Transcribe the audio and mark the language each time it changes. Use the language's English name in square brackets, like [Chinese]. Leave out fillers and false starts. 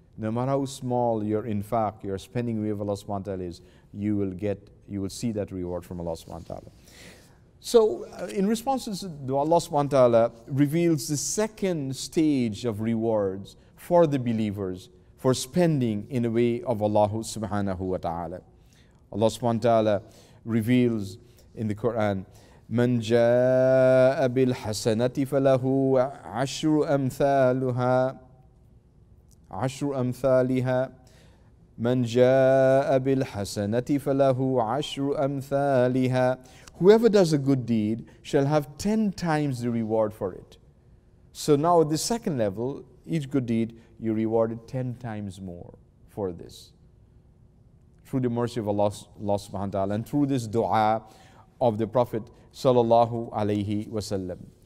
[English] No matter how small your infaq, your spending way of Allah subhanahu wa ta'ala is, you will see that reward from Allah subhanahu wa ta'ala. So, in response to this, Allah subhanahu wa ta'ala reveals the second stage of rewards for the believers for spending in the way of Allah subhanahu wa ta'ala. Allah subhanahu wa ta'ala reveals in the Quran, [Arabic] مَنْ جَاءَ بِالْحَسَنَةِ فَلَهُ عَشْرُ أَمْثَالُهَا عَشْرُ أَمْثَالِهَا مَنْ جَاءَ بِالْحَسَنَةِ فَلَهُ عَشْرُ أَمْثَالِهَا. [English] Whoever does a good deed shall have 10 times the reward for it. So now at the second level, each good deed, you rewarded 10 times more for this. Through the mercy of Allah subhanahu wa ta'ala and through this dua of the Prophet sallallahu alayhi wasallam.